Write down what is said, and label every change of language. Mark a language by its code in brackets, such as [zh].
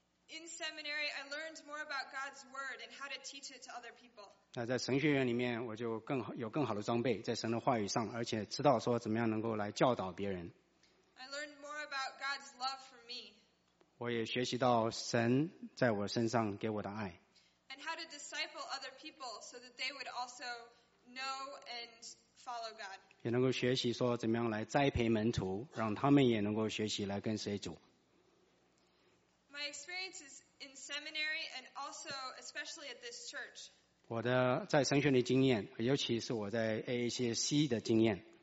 [en] In seminary, I learned more about God's word and how to teach it to other people. [zh] 那在神学院里面，我就有更好的装备，在神的话语上，而且知道说怎么样能够来教导别人。 [en] I learned more about God's love for me. [zh] 我也学习到神在我身上给我的爱。 [en] And how to disciple other people so that they would also know and follow God. [zh] 也能够学习说怎么样来栽培门徒，让他们也能够学习来跟随主。 [en] My experience is in seminary and also especially at this church. [zh] 我的在神学的经验，尤其是我在 AACC 的经验，